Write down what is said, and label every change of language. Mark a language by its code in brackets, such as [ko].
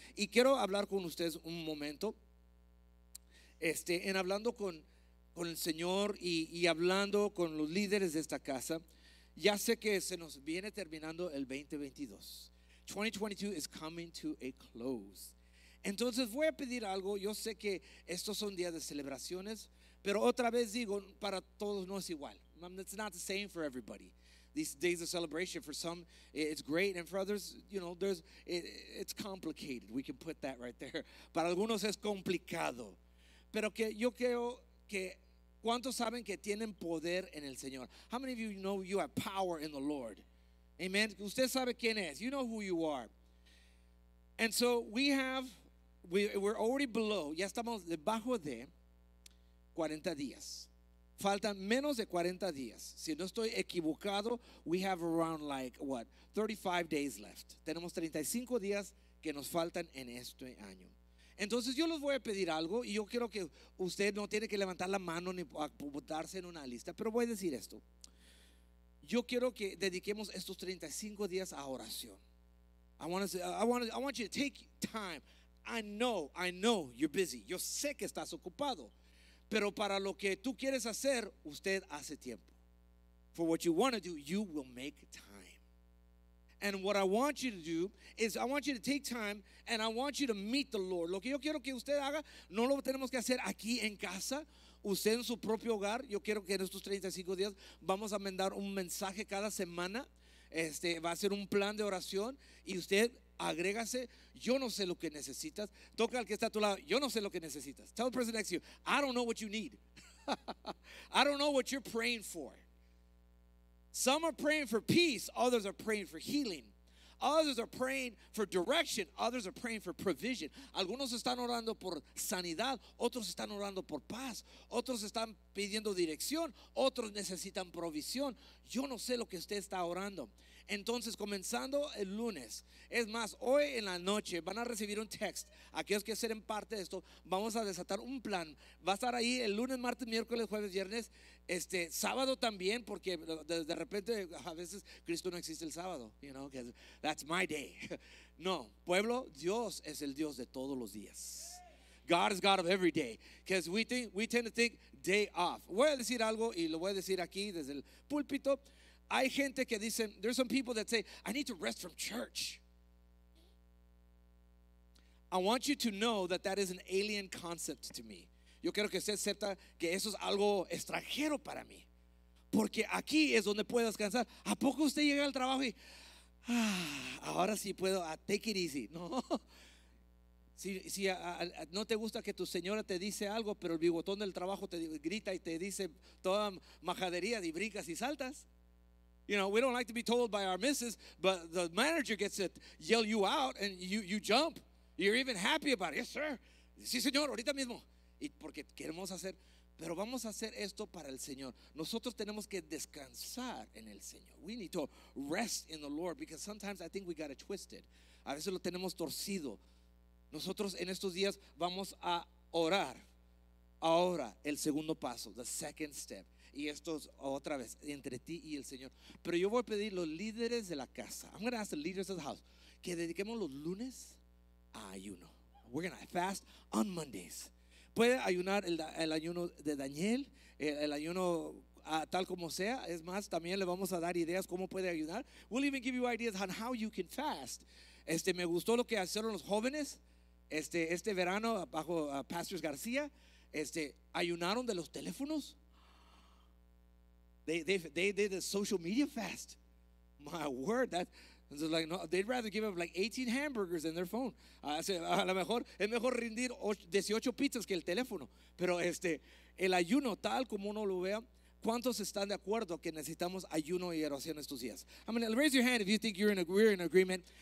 [es] Y quiero hablar con ustedes un momento. En hablando con el Señor y hablando con los líderes de esta casa, ya sé que se nos viene terminando el 2022. [en] 2022 is coming to a close. [es] Entonces voy a pedir algo. Yo sé que estos son días de celebraciones, pero otra vez digo, para todos no es igual. [en] It's not the same for everybody. These days of celebration, for some it's great, and for others, you know, it's complicated. We can put that right there. [es] Para algunos es complicado. Pero que yo creo que, ¿cuántos saben que tienen poder en el Señor? [en] How many of you know you have power in the Lord? Amen. [es] Usted sabe quién es. [en] You know who you are. And so we're already below. [es] Ya estamos debajo de 40 días. Faltan menos de 40 días. Si no estoy equivocado, [en] we have around 35 days left. [es] Tenemos 35 días que nos faltan en este año. Entonces yo les voy a pedir algo y yo quiero que usted no tiene que levantar la mano ni apuntarse en una lista, pero voy a decir esto. Yo quiero que dediquemos estos 35 días a oración. [en] I want you to take time. I know you're busy. [es] Yo sé que estás ocupado. Pero para lo que tú quieres hacer, usted hace tiempo. [en] For what you want to do, you will make time. And what I want you to do is I want you to take time and I want you to meet the Lord. [es] Lo que yo quiero que usted haga, no lo tenemos que hacer aquí en casa. Usted en su propio hogar, yo quiero que en estos 35 días vamos a mandar un mensaje cada semana. Va a ser un plan de oración y usted agrégase. Yo no sé lo que necesitas. Toca al que está a tu lado. Yo no sé lo que necesitas. [en] Tell the person next to you, I don't know what you need. I don't know what you're praying for. Some are praying for peace. Others are praying for healing. Others are praying for direction. Others are praying for provision. [es] Algunos están orando por sanidad. Otros están orando por paz. Otros están pidiendo dirección. Otros necesitan provisión. Yo no sé lo que usted está orando. Entonces, comenzando el lunes, es más, hoy en la noche van a recibir un text. Aquellos que sean parte de esto, vamos a desatar un plan. Va a estar ahí el lunes, martes, miércoles, jueves, viernes, sábado también, porque de repente a veces Cristo no existe el sábado. [en] You know, that's my day. [es] No, pueblo, Dios es el Dios de todos los días. [en] God is God of every day. Because we tend to think day off. [es] Voy a decir algo y lo voy a decir aquí desde el púlpito. Hay gente que dicen, [en] there's some people that say, I need to rest from church. I want you to know that that is an alien concept to me. [es] Yo quiero que usted acepta que eso es algo extranjero para mí. Porque aquí es donde puedo descansar. ¿A poco usted llega al trabajo y, ahora sí puedo, [en] take it easy? [es] No. Si no te gusta que tu señora te dice algo, pero el bigotón del trabajo te grita y te dice toda majadería y brincas y saltas. [en] You know, we don't like to be told by our missus, but the manager gets to yell you out and you jump. You're even happy about it. Yes, sir. [es] Sí, señor, ahorita mismo. Y porque queremos hacer. pero vamos a hacer esto para el Señor. Nosotros tenemos que descansar en el Señor. [en] We need to rest in the Lord, because sometimes I think we got it twisted. [es] A veces lo tenemos torcido. Nosotros en estos días vamos a orar. Ahora el segundo paso, [en] the second step. [es] Y esto es otra vez entre ti y el Señor. Pero yo voy a pedir los líderes de la casa, [en] I'm going to ask the leaders of the house, [es] que dediquemos los lunes a ayuno. [en] We're going to fast on Mondays. [es] Puede ayunar el ayuno de Daniel, el ayuno tal como sea. Es más, también le vamos a dar ideas cómo puede ayudar. [en] We'll even give you ideas on how you can fast. [es] Me gustó lo que hicieron los jóvenes este verano bajo Pastors García. Ayunaron de los teléfonos. [en] They did a social media fast. My word, they'd rather give up like 18 hamburgers than their phone. [es] A lo mejor es mejor rendir 18 pizzas que el teléfono. Pero el ayuno, tal como uno lo vea, ¿cuántos están de acuerdo que necesitamos ayuno y oración estos días? [en] I mean, raise your hand if you think we're in agreement.